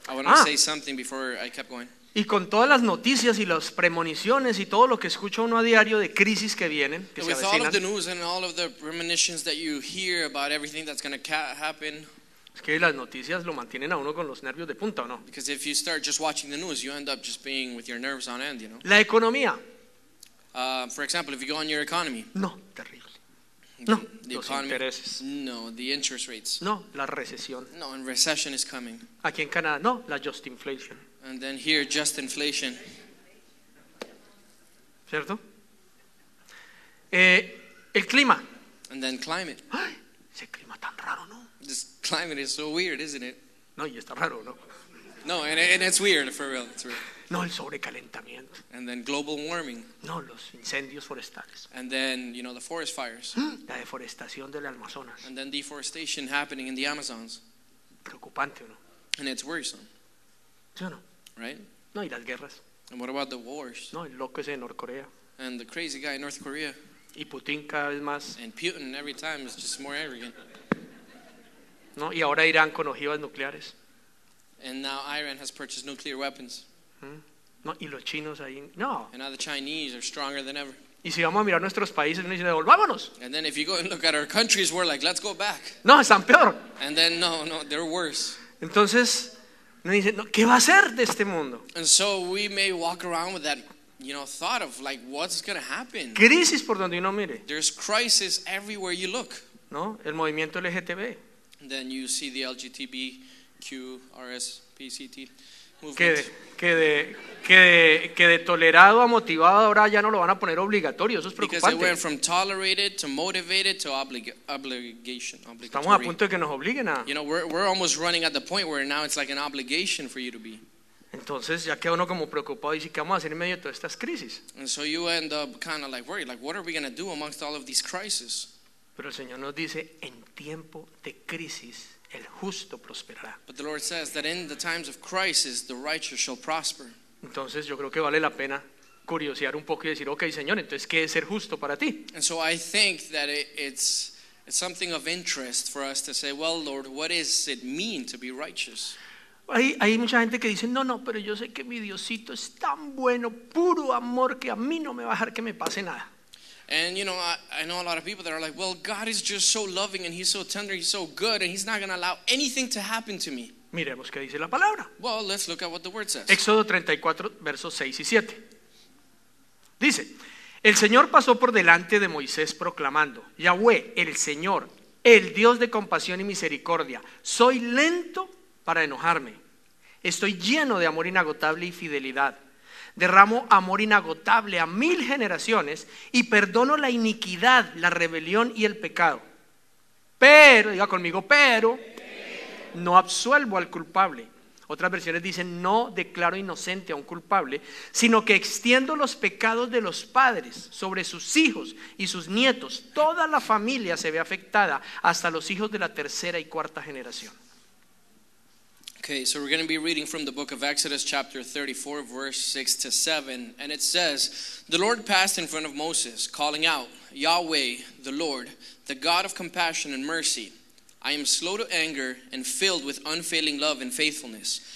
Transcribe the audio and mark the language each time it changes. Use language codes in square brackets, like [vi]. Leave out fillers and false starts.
[en] I want to say something before I kept going. [es] Y con todas las noticias y las premoniciones y todo lo que escucha uno a diario de crisis que vienen, que se avecinan. [en] With all of the news and all of the premonitions that you hear about everything that's going to happen. [es] Es que las noticias lo mantienen a uno con los nervios de punta, ¿o no? [en] Because if you start just watching the news, you end up just being with your nerves on end, you know. [es] La economía. [en] For example, if you go on your economy. No, terrible. No, the los economy. [es] Intereses. [en] No, the interest rates. [es] No, la recesión. [en] No, and recession is coming. [es] Aquí en Canadá, no, la [en] just inflation. And then here, just inflation. [es] ¿Cierto? El clima. [en] And then climate. [es] Ay, ese clima tan raro, ¿no? [en] This climate is so weird, isn't it? [es] No, y está raro, ¿no? [en] No, and it's weird, for real, it's real. [es] No, el sobrecalentamiento. [en] And then global warming. [es] No, los incendios forestales. [en] And then, you know, the forest fires. [es] La deforestación del Amazonas. [en] And then deforestation happening in the Amazons. [es] Preocupante, ¿no? [en] And it's worrisome. [es] ¿Sí o no? [en] Right? [es] No, y las guerras. [en] And what about the wars? [es] No, el loco ese de North Korea. [en] And the crazy guy in North Korea. [es] Y Putin cada vez más. [en] And Putin every time is just more arrogant. [es] No, y ahora Irán con ojivas nucleares. [en] And now Iran has purchased nuclear weapons. [es] No, y los chinos ahí, no. [en] And now the Chinese are stronger than ever. [es] Y si vamos a mirar nuestros países, nos dicen, volvámonos. [en] And then if you go and look at our countries, we're like, let's go back. [es] No, están peor. [en] And then, no, they're worse. [es] Entonces, nos dicen, no, ¿qué va a ser de este mundo? [en] And so we may walk around with that, you know, thought of like, what's going to happen? [es] Crisis por donde uno mire. [en] There's crisis everywhere you look. [es] No, el movimiento LGTB. [en] And then you see the LGBTQ, RSPCT. [es] Que de tolerado a motivado ahora ya no lo van a poner obligatorio, eso es preocupante. [en] Because it went from tolerated to motivated to obligation. [es] Estamos a punto de que nos obliguen a. [en] You know, we're almost running at the point where now it's like an obligation for you to be. [es] Entonces ya queda uno como preocupado y dice, ¿qué vamos a hacer en medio de todas estas crisis? [en] And so you end up kind of like worried, like what are we going to do amongst all of these crises? [es] Pero el Señor nos dice, en tiempo de crisis. El justo prosperará. [en] But the Lord says that in the times of crisis, the righteous shall prosper. [es] Entonces, yo creo que vale la pena curiosear un poco y decir, okay, Señor, entonces, ¿qué es ser justo para ti? [en] And so I think that it's something of interest for us to say, well, Lord, what does it mean to be righteous? [es] Hay mucha gente que dice, no, pero yo sé que mi Diosito es tan bueno, puro amor, que a mí no me va a dejar que me pase nada. [en] And you know, I know a lot of people that are like, well, God is just so loving and he's so tender, he's so good, and he's not going to allow anything to happen to me. [es] Miremos qué dice la palabra. [en] Well, let's look at what the word says. [es] Éxodo 34, versos 6 y 7. Dice, el Señor pasó por delante de Moisés proclamando, Yahweh, el Señor, el Dios de compasión y misericordia, soy lento para enojarme. Estoy lleno de amor inagotable y fidelidad. Derramo amor inagotable a mil generaciones y perdono la iniquidad, la rebelión y el pecado. Pero, diga conmigo, pero no absuelvo al culpable. Otras versiones dicen, no declaro inocente a un culpable, sino que extiendo los pecados de los padres sobre sus hijos y sus nietos. Toda la familia se ve afectada, hasta los hijos de la tercera y cuarta generación. [en] Okay, so we're going to be reading from the book of Exodus, chapter 34, verse 6 to 7. And it says, the Lord passed in front of Moses, calling out, Yahweh, the Lord, the God of compassion and mercy. I am slow to anger and filled with unfailing love and faithfulness.